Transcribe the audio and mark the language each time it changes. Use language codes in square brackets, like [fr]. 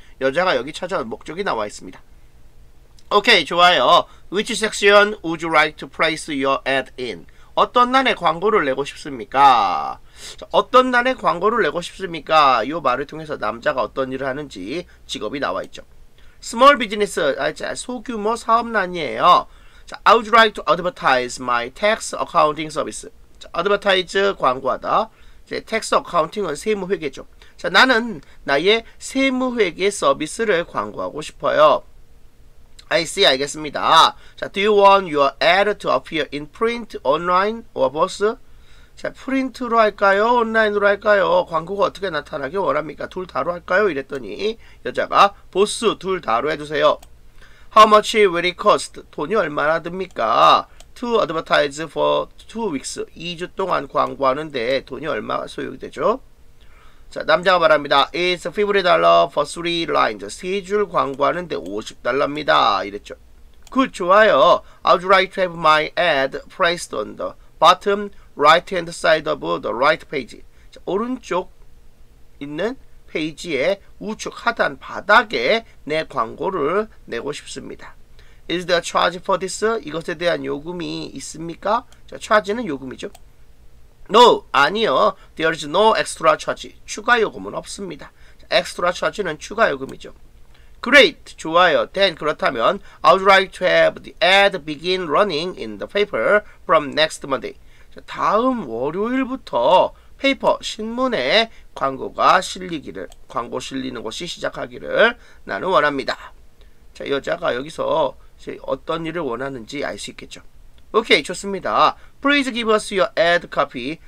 [ko] 여자가 여기 찾아온 목적이 나와 있습니다. [en] Okay, [ko] 좋아요. [en] Which section would you like to place your ad in? [ko] 어떤 란에 광고를 내고 싶습니까? 자, 어떤 란에 광고를 내고 싶습니까? 이 말을 통해서 남자가 어떤 일을 하는지 직업이 나와 있죠. [en] Small business, [ko] 소규모 사업란이에요. [en] 자, I would like to advertise my tax accounting service. [ko] 자, advertise, 광고하다. 이제 tax accounting은 세무회계죠. 자, 나는 나의 세무회계 서비스를 광고하고 싶어요. [en] I see, [ko] 알겠습니다. [en] 자, do you want your ad to appear in print, online, or both? [ko] 자, 프린트로 할까요? 온라인으로 할까요? 광고가 어떻게 나타나길 원합니까? 둘 다로 할까요? 이랬더니 여자가 보스 둘 다로 해주세요. [en] How much will it cost? [ko] 돈이 얼마나 듭니까? [en] To advertise for 2 weeks. [ko] 2주 동안 광고하는데 돈이 얼마 소요가 되죠? 자, 남자가 말합니다. [en] It's $50 for 3 lines. [ko] 3줄 광고하는데 $50입니다. 이랬죠. [en] Good, [ko] 좋아요. [en] I would like to have my ad placed on the bottom right-hand side of the right page. [ko] 자, 오른쪽 있는 페이지의 우측 하단 바닥에 내 광고를 내고 싶습니다. [en] Is there a charge for this? [ko] 이것에 대한 요금이 있습니까? 자, charge는 요금이죠. [en] No, [ko] 아니요. [en] There is no extra charge. [ko] 추가 요금은 없습니다. [en] Extra charge는 [ko] 추가 요금이죠. [en] Great. [ko] 좋아요. [en] Then [ko] 그렇다면 [en] I would like to have the ad begin running in the paper from next Monday. [ko] 자, 다음 월요일부터 페이퍼 신문에 광고가 실리기를 광고 실리는 것이 시작하기를 나는 원합니다. 자, 여자가 여기서 이제 어떤 일을 원하는지 알 수 있겠죠. 오케이, 좋습니다. [en] Please give us your ad copy.